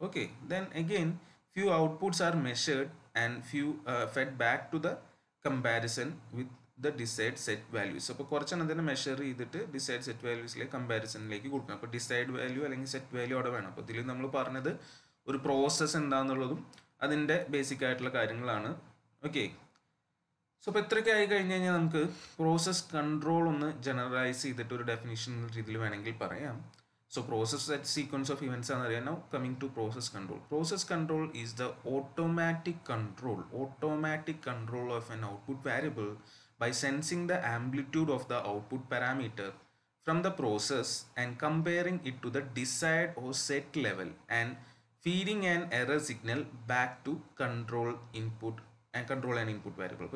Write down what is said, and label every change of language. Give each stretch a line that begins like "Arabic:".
English: Okay, then again few outputs are measured and few fed back to the comparison with the desired set values.
Malayalam: അപ്പോൾ കുറച്ചെണ്ണം തന്നെ measure ചെയ്തിട്ട് decide set വാല്യൂസിലെ കമ്പാരിസണിലേക്ക് കൊടുക്കണം. അപ്പോൾ desired value അല്ലെങ്കിൽ set value അവിടെ വേണം. അപ്പോൾ ഇതിൽ നമ്മൾ പറഞ്ഞത് ഒരു പ്രോസസ്സ് എന്താണെന്നുള്ളതും അതിൻ്റെ ബേസിക് ആയിട്ടുള്ള കാര്യങ്ങളാണ്. ഓക്കെ, സോ അപ്പോൾ ഇത്രയൊക്കെ ആയി കഴിഞ്ഞ് കഴിഞ്ഞാൽ നമുക്ക് പ്രോസസ്സ് കൺട്രോൾ ഒന്ന് ജനറലൈസ് ചെയ്തിട്ട് ഒരു ഡെഫിനിഷൻ രീതിയിൽ വേണമെങ്കിൽ പറയാം.
English: so process set sequence of events
Malayalam: ആണ് അറിയാം.
English: Now coming to process control. Process control is the automatic control, automatic control of an output variable by sensing the amplitude of the output parameter from the process and comparing it to the desired or set level and feeding an error signal back to control input and control and input variable.